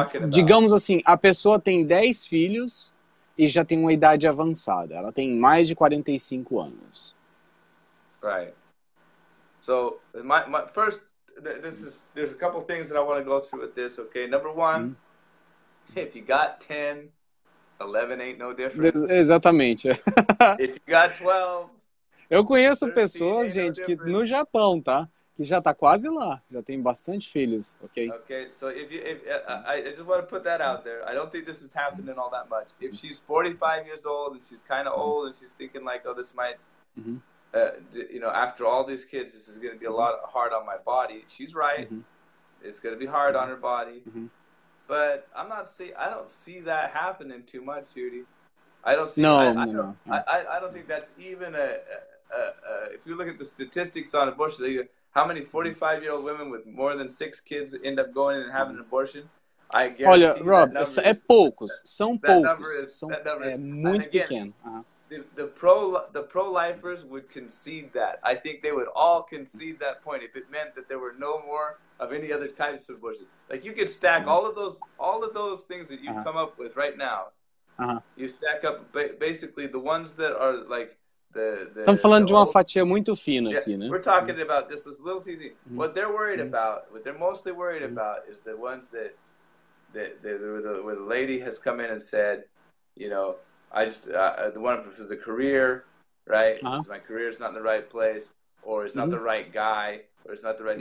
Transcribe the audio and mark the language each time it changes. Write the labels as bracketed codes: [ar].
[pt] Digamos assim, a pessoa tem 10 filhos e já tem uma idade avançada. Ela tem mais de 45 anos. [en] Right. So, my first, there's a couple things that I want to go through with this, okay? Number one, if you got 10... 11 ain't no difference. [pt] Exatamente. [en] If you got 12. [pt] Eu conheço pessoas, gente, que no Japão, tá? que já está quase lá, já tem bastante filhos, ok? [en] Okay, so if I just want to put that out there. I don't think this is happening all that much. If she's 45 years old and she's kind of old and she's thinking like, oh, this might, you know, after all these kids, this is going to be a lot hard on my body. She's right. It's going to be hard on her body. But I'm not see. I don't see that happening too much, Judy. I don't think that's even a if you look at the statistics on abortion, how many 45-year-old women with more than 6 kids end up going in and having an abortion? I guarantee. [pt] Olha, Rob, [en] that number [pt] poucos, são muito pequeno. [en] The pro-lifers would concede that. I think they would all concede that point if it meant that there were no more of any other kinds of abortions. Like, you could stack all of those things that you come up with right now. You stack up basically the ones that are like the [pt] estamos falando de uma fatia muito fina aqui, né? [en] We're talking about just this little teeny. What they're worried about, what they're mostly worried about, is the ones where the lady has come in and said, you know, I just the one for the career, right? So my career is not in the right place, or it's not the right guy, or it's not the right.